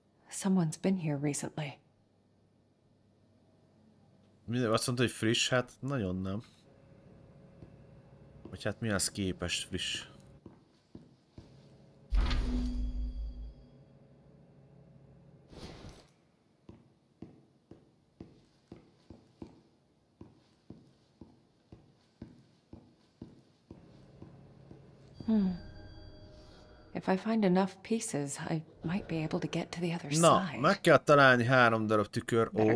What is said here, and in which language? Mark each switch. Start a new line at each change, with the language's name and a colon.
English: Someone's been here recently.
Hungarian: Minden, azt mondta, hogy friss, hát nagyon nem. Vagy hát mi az képest friss?
English: If I find enough pieces, I might be able to get to the other Na, side.
Hungarian: Meg kell találni három darab tükör.